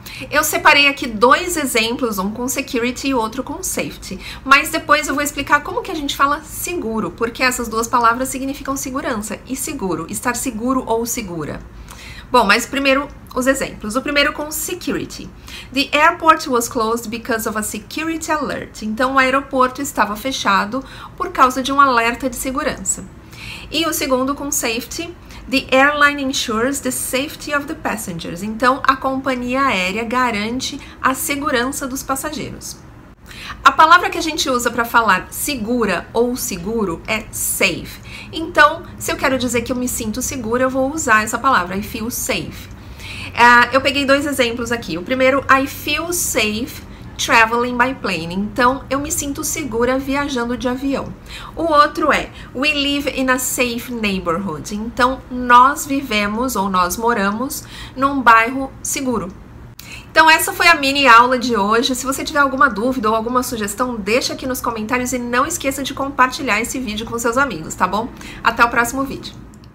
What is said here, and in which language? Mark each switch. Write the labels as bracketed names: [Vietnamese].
[Portuguese] Eu separei aqui dois exemplos, um com security e outro com safety, mas depois eu vou explicar como que a gente fala seguro, porque essas duas palavras significam segurança e seguro, estar seguro ou segura. Bom, mas primeiro os exemplos. O primeiro com security. [English] The airport was closed because of a security alert. [Portuguese] Então, o aeroporto estava fechado por causa de um alerta de segurança. E o segundo com safety. [English] The airline ensures the safety of the passengers. [Portuguese] Então, a companhia aérea garante a segurança dos passageiros. A palavra que a gente usa para falar segura ou seguro é safe. Então, se eu quero dizer que eu me sinto segura, eu vou usar essa palavra, [English] I feel safe. [Portuguese] Eu peguei dois exemplos aqui. O primeiro, [English] I feel safe traveling by plane. [Portuguese] Então, eu me sinto segura viajando de avião. O outro é, [English] we live in a safe neighborhood. [Portuguese] Então, nós vivemos ou nós moramos num bairro seguro. Então, essa foi a mini aula de hoje. Se você tiver alguma dúvida ou alguma sugestão, deixa aqui nos comentários e não esqueça de compartilhar esse vídeo com seus amigos, tá bom? Até o próximo vídeo.